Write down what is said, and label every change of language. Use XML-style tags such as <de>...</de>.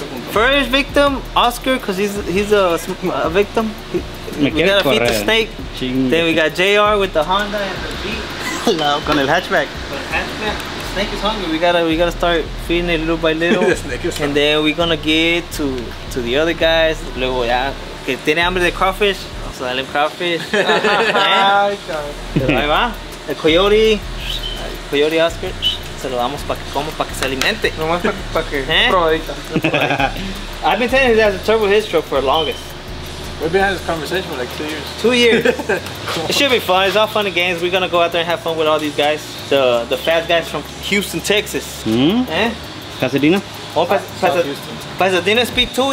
<en>First victim, Oscar, because he's a victim. We gotta feed the snake. Then we got JR with the Honda and the Jeep.</en> <es>Con el hatchback. Con el hatchback.</es> <en>Snake is hungry. We gotta start feeding it little by little. The snake is hungry. And then we're gonna get to the other guys.</en> <es>Luego ya, que tiene hambre de crawfish. Vamos a darle crawfish. Ahí va. El coyote. Coyote Oscar. Se lo damos para que coma, para que se alimente. Nomás para que probadita.</es> <en>I've been saying he has a turbo his truck for the longest. We've been having this conversation for like 2 years. 2 years. Cool. It should be fun. It's all fun and games. We're gonna go out there and have fun with all these guys. The fat guys from Houston, Texas. Mm-hmm. Eh? Pasadena? Oh, Pasadena Speed 2.</en>